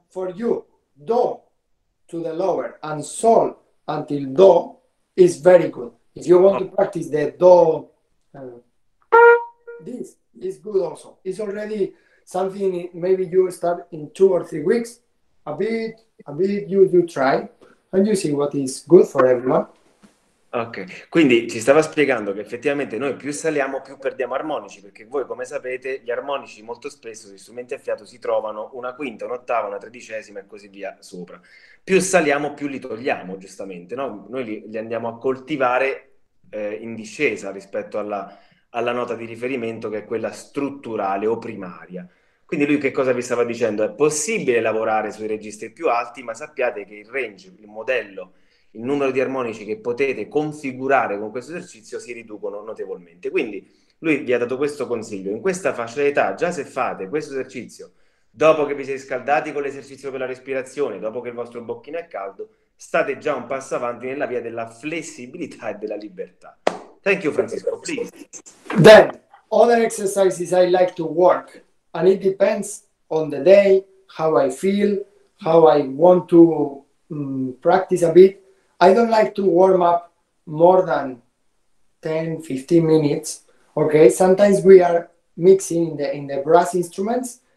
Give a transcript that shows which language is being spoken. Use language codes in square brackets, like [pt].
[en] for you, do to the lower and sol until do is very good. If you want to practice the do, this is good also. It's already something. Maybe you start in 2 or 3 weeks. A bit you try and you see what is good for everyone. [it] Ok, quindi ci stava spiegando che effettivamente noi più saliamo più perdiamo armonici, perché voi come sapete gli armonici molto spesso gli strumenti a fiato si trovano una quinta, un'ottava, una tredicesima e così via sopra. Più saliamo più li togliamo, giustamente, no? Noi li andiamo a coltivare in discesa rispetto alla nota di riferimento, che è quella strutturale o primaria. Quindi lui che cosa vi stava dicendo? È possibile lavorare sui registri più alti, ma sappiate che il range, il modello, il numero di armonici che potete configurare con questo esercizio si riducono notevolmente. Quindi lui vi ha dato questo consiglio. In questa fascia d'età, già se fate questo esercizio, dopo che vi siete scaldati con l'esercizio per la respirazione, dopo che il vostro bocchino è caldo, state già un passo avanti nella via della flessibilità e della libertà. [en] Thank you, Francisco. Please. Then, other exercises I like to work. And it depends on the day, how I feel, how I want to practice a bit. I don't like to warm up more than 10, 15 minutes. Okay, sometimes we are mixing in the brass instruments.